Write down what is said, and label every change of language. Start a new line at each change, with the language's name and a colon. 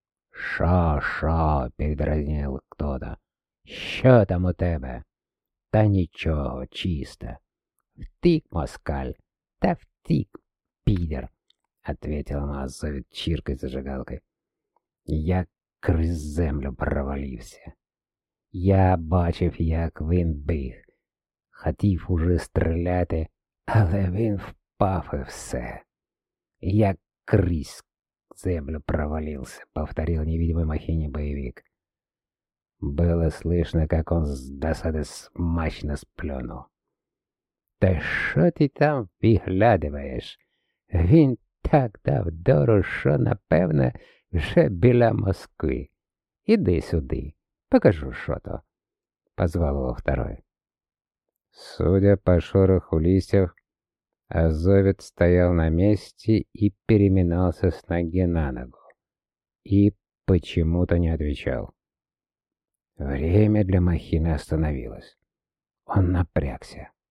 Russian: «Ша-ша!» — передразнил кто-то.
Ukrainian: «Що там у тебе?» «Та ничего, чисто!» «Втик, москаль!» «Та втик, пидер!»
Russian: — ответил Мазовит чиркой зажигалкой.
Ukrainian: «Я крізь землю провалився. Я бачив, як він біг. Хотів уже стріляти, але він впав і все. Я крізь землю провалився», —
Russian: повторил невидимый Махине боевик. Было слышно, как он с досады смачно сплюнул.
Ukrainian: «Та шо ти там виглядываєш? Він так дав дору, шо, напевне, вже біля Москви. Іди сюди, покажу, що то», — позвав його второй.
Russian: Судя по шороху листьев, азовец стоял на месте и переминался с ноги на ногу. И почему-то не отвечал. Время для Махины остановилось. Он напрягся.